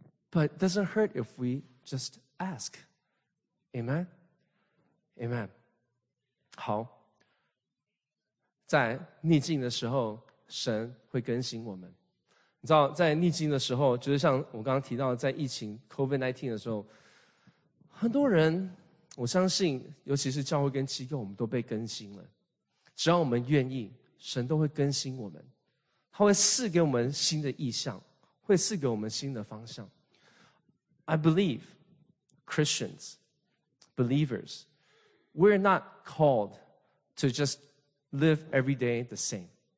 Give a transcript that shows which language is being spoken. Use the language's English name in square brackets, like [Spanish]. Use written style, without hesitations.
[English] But it doesn't hurt if we just ask. Amen? Amen. [Chinese] 好，在逆境的时候，神会更新我们。你知道，在逆境的时候，就是像我刚刚提到，在疫情 COVID-19 的时候，很多人，我相信，尤其是教会跟机构，我们都被更新了。只要我们愿意，神都会更新我们，他会赐给我们新的意象，会赐给我们新的方向。 [English] I believe Christians, believers, we're not called to just live every day the same.